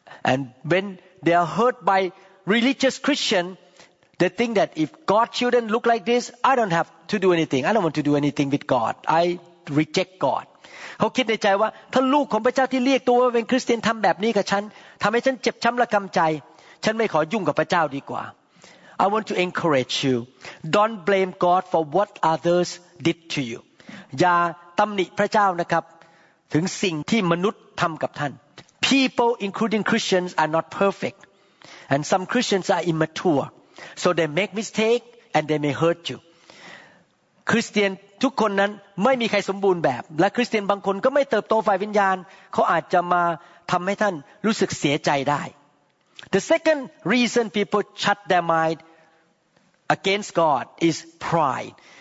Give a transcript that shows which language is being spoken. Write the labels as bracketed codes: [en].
[en] and when they are hurt by religious Christian they think that if God's children look like this I don't have to do anything I don't want to do anything with God I reject God [th] เขาคิดในใจว่าถ้าลูกของพระเจ้าที่เรียกตัวว่าเป็นคริสเตียนทำแบบนี้กับฉันทำให้ฉันเจ็บช้ำระกำใจฉันไม่ขอยุ่งกับพระเจ้าดีกว่า [en] I want to encourage you. Don't blame God for what others did to you. [th] อย่าตำหนิพระเจ้านะครับถึงสิ่งที่มนุษย์ทำกับท่าน [en] People, including Christians, are not perfect, and some Christians are immature, so they make mistakes and they may hurt you. [th] คริสเตียนทุกคนนั้นไม่มีใครสมบูรณ์แบบและคริสเตียนบางคนก็ไม่เติบโตฝ่ายวิญญาณเขาอาจจะมาทำให้ท่านรู้สึกเสียใจได้ [en] The second reason people shut their mind against God is pride.